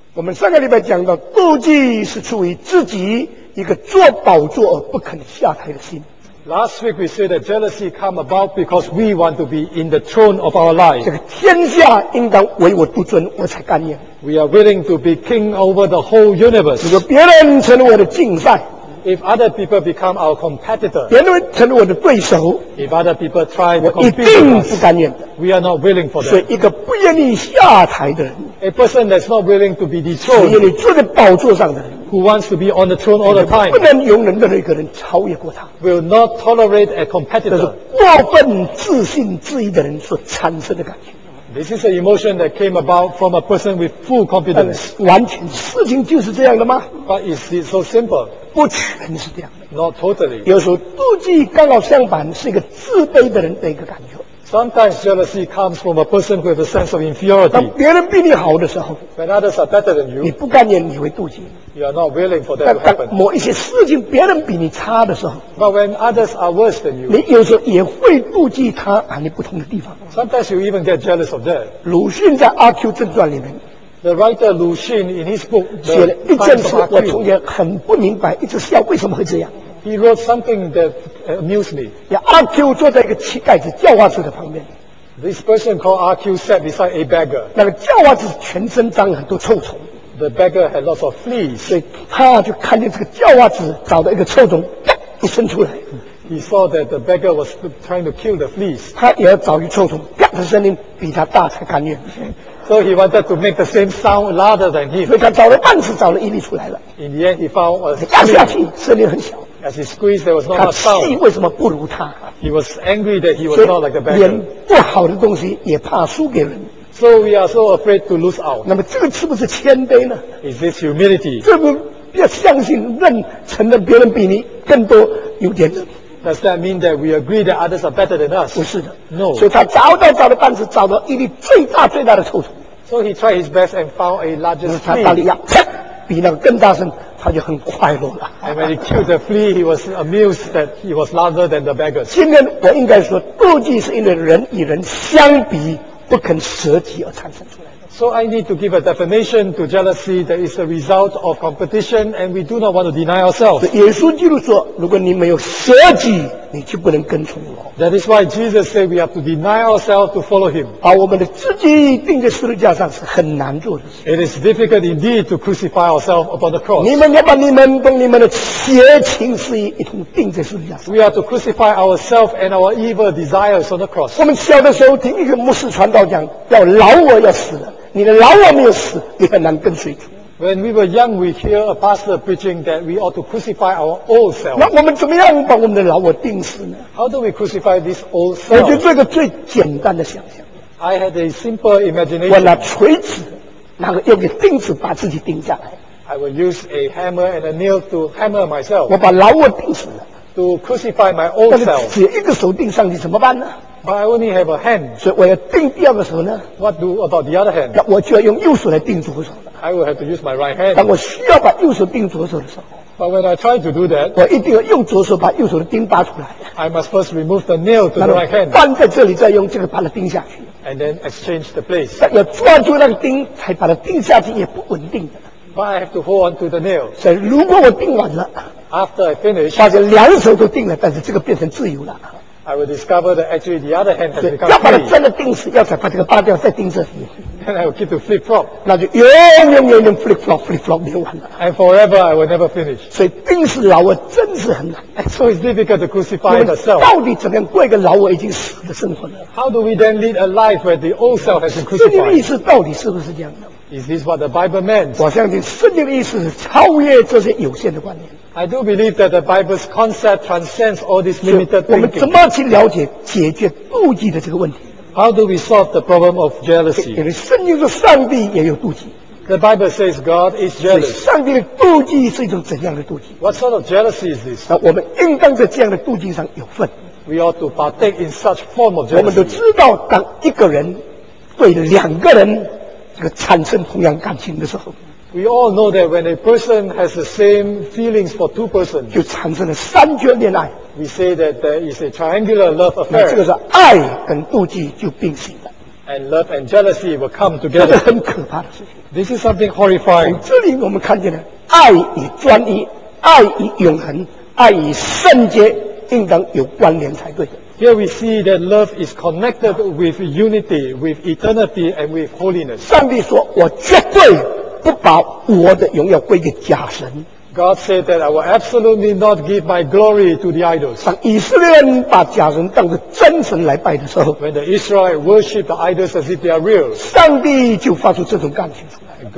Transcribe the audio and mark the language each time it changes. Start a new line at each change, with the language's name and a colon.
Chinese: 我们上个礼拜讲到，妒忌是出于自己一个做宝座而不肯下台的心。
English: Last week we said that jealousy come about because we want to be in the throne of our life.
Chinese: 这个天下应当唯我独尊，我才甘愿。
English: We are willing to be king over the whole universe.
Chinese: 如果别人成了我的竞赛。
English: If other people become our competitor,
Chinese: 别人成了我的对手，
English: if other people try to compete with us,
Chinese: 我一定不甘愿的。
English: We are not willing for that.
Chinese: 所以一个不愿意下台的人，
English: a person that's not willing to be dethroned,
Chinese: 只愿意坐在宝座上的人，
English: who wants to be on the throne all the time,
Chinese: 不能容忍的一个人超越过他，
English: will not tolerate a competitor.
Chinese: 这是过分自信自义的人所产生的感觉。
English: This is an emotion that came about from a person with full confidence.
Chinese: 完全，事情就是这样的吗？
English: But is it so simple?
Chinese: 不全是这样的。
English: Not totally.
Chinese: 有时候妒忌刚好相反，是一个自卑的人的一个感觉。
English: Sometimes jealousy comes from a person with a sense of inferiority.
Chinese: 当别人比你好的时候，
English: When others are better than you,
Chinese: 你不甘愿，你会妒忌。
English: You are not willing for that to happen.
Chinese: 但某一些事情别人比你差的时候，
English: But when others are worse than you,
Chinese: 你有时候也会妒忌他和你不同的地方。
English: Sometimes you even get jealous of that.
Chinese: 鲁迅在《阿 Q 正传》里面，
English: The writer 鲁迅 in his book
Chinese: 写了一件事，我从前很不明白，一直笑为什么会这样。
English: He wrote something that amused me. Yeah, R.Q.
Chinese: 坐在一个乞丐子叫花子的旁边。
English: This person called R.Q. sat beside a beggar.
Chinese: 那个叫花子全身脏，很多臭虫。
English: The beggar had lots of fleas.
Chinese: 所以他就看见这个叫花子找到一个臭虫，啪，一伸出来。
English: He saw that the beggar was trying to kill the fleas.
Chinese: 他也要找一臭虫，啪的声音比他大才甘愿。
English: So he wanted to make the same sound louder than him.
Chinese: 所以他找了半次，找了一粒出来了。
English: In the end, he found a scream.
Chinese: 压下去，声音很小。
English: As he squeezed, there was not a sound.
Chinese: 他气为什么不如他？
English: He was angry that he was not like the beggar.
Chinese: 不好的东西也怕输给人。
English: So we are so afraid to lose out.
Chinese: 那么这个是不是谦卑呢？
English: Is this humility?
Chinese: 这不要相信认承认别人比你更多优点的。
English: Does that mean that we agree that others are better than us?
Chinese: 不是的。
English: No.
Chinese: 所以他找到找了半次，找到一粒最大最大的臭虫。
English: So he tried his best and found a largest flea.
Chinese: 他大力压，比那个更大声，他就很快乐了。
English: And when he killed the flea, he was amused that he was larger than the beggar.
Chinese: 今天我应该说，妒忌是因为人与人相比不肯舍己而产生出来的。
English: So I need to give a definition to jealousy that is a result of competition, and we do not want to deny ourselves.
Chinese: 耶稣基督说，如果你没有舍己，你就不能跟从我。
English: That is why Jesus said we have to deny ourselves to follow him.
Chinese: 把我们的自己钉在十字架上是很难做的。
English: It is difficult indeed to crucify ourselves upon the cross.
Chinese: 你们要把你们跟你们的邪情事业一同钉在十字架上。
English: We are to crucify ourselves and our evil desires on the cross.
Chinese: 我们小的时候听一个牧师传道讲，要老我要死了。你的老我没有死，你很难跟随主。
English: When we were young, we hear a pastor preaching that we ought to crucify our old self.
Chinese: 那我们怎么样把我们的老我钉死呢？
English: How do we crucify this old self?
Chinese: 我就做一个最简单的想象。
English: I had a simple imagination.
Chinese: 我拿锤子，然后用个钉子把自己钉下来。
English: I will use a hammer and a nail to hammer myself.
Chinese: 我把老我钉死了。
English: To crucify my old self.
Chinese: 但是只有一个手钉上去怎么办呢？
English: But I only have a hand.
Chinese: 所以我要钉第二个手呢？
English: What do about the other hand?
Chinese: 那我就要用右手来钉左手了。
English: I will have to use my right hand.
Chinese: 当我需要把右手钉左手的时候，
English: But when I try to do that,
Chinese: 我一定要用左手把右手的钉拔出来。
English: I must first remove the nail to the right hand.
Chinese: 放在这里，再用这个把它钉下去。
English: And then exchange the place.
Chinese: 但要抓住那个钉，才把它钉下去，也不稳定的。
English: But I have to hold on to the nail.
Chinese: 所以如果我钉完了，
English: After I finish,
Chinese: 发现两手都钉了，但是这个变成自由了。
English: I will discover that actually the other hand has become free.
Chinese: 要把它真的钉死，要才把这个拔掉，再钉这里。
English: And I will keep to flip flop.
Chinese: 那就永永永永
English: flip flop, flip flop
Chinese: 没完了。
English: And forever I will never finish.
Chinese: 所以钉死老我真是很难。
English: So it's difficult to crucify the self.
Chinese: 到底怎么样过一个老我已经死的生活呢？
English: How do we then lead a life where the old self has been crucified?
Chinese: 圣经的意思到底是不是这样的？
English: Is this what the Bible meant?
Chinese: 我相信圣经的意思是超越这些有限的观念。
English: I do believe that the Bible's concept transcends all these limited thinking.
Chinese: 我们怎么去了解解决妒忌的这个问题？
English: How do we solve the problem of jealousy?
Chinese: 因为圣经说上帝也有妒忌。
English: The Bible says God is jealous.
Chinese: 上帝的妒忌是一种怎样的妒忌？
English: What sort of jealousy is this?
Chinese: 那我们应当在这样的妒忌上有份。
English: We ought to partake in such form of jealousy.
Chinese: 我们都知道，当一个人对两个人这个产生同样感情的时候。
English: We all know that when a person has the same feelings for two persons,
Chinese: 就产生了三角恋爱。
English: We say that there is a triangular love affair.
Chinese: 这个是爱跟妒忌就并行了。
English: And love and jealousy will come together.
Chinese: 这是很可怕的事情。
English: This is something horrifying.
Chinese: 从这里我们看见了，爱与专一，爱与永恒，爱与圣洁，应当有关联才对的。
English: Here we see that love is connected with unity, with eternity, and with holiness.
Chinese: 上帝说，我绝对不把我的荣耀归给假神。
English: God said that I will absolutely not give my glory to the idols.
Chinese: 当以色列人把假神当作真神来拜的时候
English: ，When the Israelites worship the idols as if they are real,
Chinese: 上帝就发出这种感情出来。